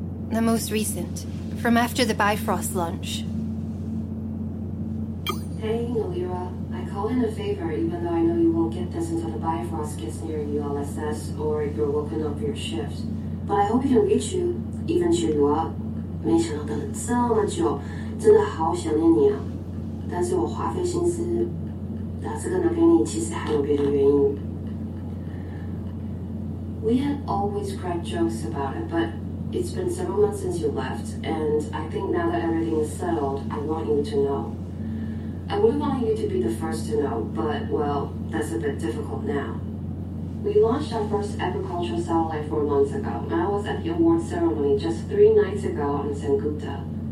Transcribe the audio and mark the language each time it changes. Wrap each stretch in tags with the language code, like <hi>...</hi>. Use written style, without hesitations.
<en>The most recent, from after the Bifrost launch. Hey, Nolira. I call in a favor, even though I know you won't get this until the Bifrost gets near ULSS or if you're woken up your shift. But I hope it can reach you, even Chidua.</en> <zh>没想到等了这么久, 真的好想念你啊。但是我花费心思, 打这个呢给你, 其实还有别的原因。</zh> <en>We had always cracked jokes about it, but it's been several months since you left, and I think now that everything is settled, I want you to know. I would have wanted you to be the first to know, but, well, that's a bit difficult now. We launched our first agricultural satellite 4 months ago, and I was at the award ceremony just 3 nights ago in Sengupta.</en>